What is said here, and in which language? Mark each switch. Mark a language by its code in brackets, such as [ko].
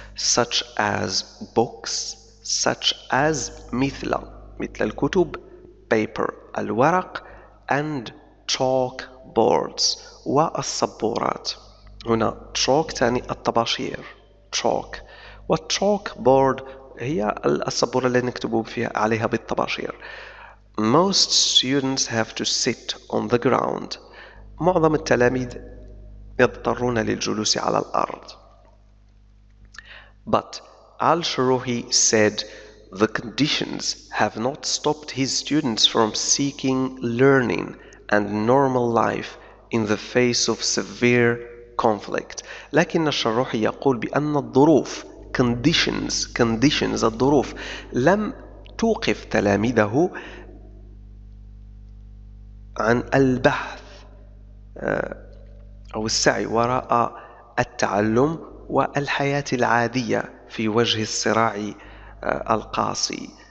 [en] Such as books, such as [ar] مثل. مثل الكتب. [en] Paper, الورق. And chalk boards, والصبورات. [ar] هنا chalk تعني الطباشير. [en] Chalk. [ar] والchalk board هي السبورة التي نكتب فيها عليها بالطباشير. [en] Most students have to sit on the ground. [ar] معظم التلاميذ يضطرون للجلوس على الأرض. [en] But Al-Shirouhi said the conditions have not stopped his students from seeking learning and normal life in the face of severe conflict. [ar] لكن الشروحي يقول بأن الظروف conditions الظروف لم توقف تلاميذه عن البحث أو السعي وراء التعلم والحياة العادية في وجه الصراع القاسي.